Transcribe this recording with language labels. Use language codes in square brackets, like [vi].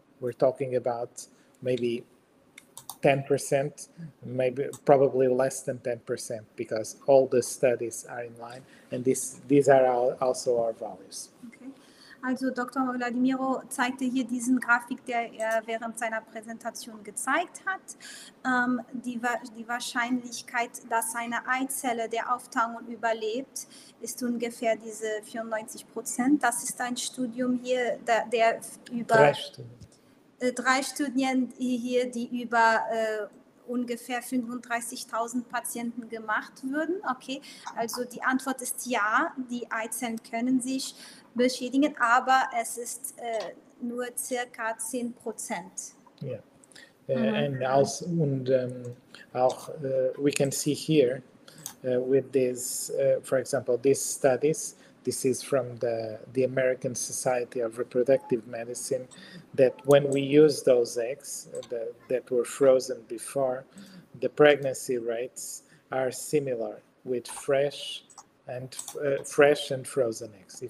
[en] We're talking about maybe 10%, maybe probably less than 10%, because all the studies are in line, and these are also our values. [de] Okay. Also Dr. Vladimiro zeigte hier diesen Grafik, der er während seiner Präsentation gezeigt hat. Die Wahrscheinlichkeit, dass eine Eizelle der Auftauung überlebt, ist ungefähr diese 94%. Das ist ein Studium hier, der über... Drei Studien hier, die über ungefähr 35.000 Patienten gemacht würden. Okay, also die Antwort ist ja, die Eizellen können sich beschädigen, aber es ist nur circa 10%. Ja, yeah. [en] Auch we can see here with this, for example, these studies. This is from the American Society of Reproductive Medicine, that when we use those eggs that were frozen before, the pregnancy rates are similar with fresh and frozen eggs.